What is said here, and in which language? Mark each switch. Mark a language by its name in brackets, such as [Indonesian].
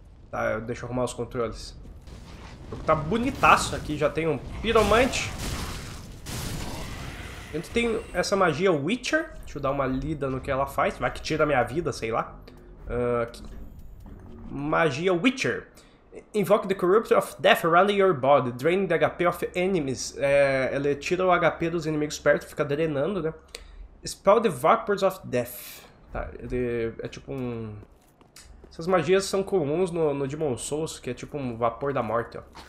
[Portuguese] Tá, deixa eu arrumar os controles. Tá bonitaço aqui, já tem um piromante. A gente tem essa magia Witcher. Deixa eu dar uma lida no que ela faz. Vai que tira a minha vida, sei lá. Magia Witcher. [English] Invoke the Corruptor of Death around your body. Drain the HP of enemies. [Portuguese] Ela tira o HP dos inimigos perto, fica drenando, né? [English] Spell the Vapors of Death. [Portuguese] Tá, ele é tipo um... Essas magias são comuns no Demon Souls, que é tipo um vapor da morte, ó.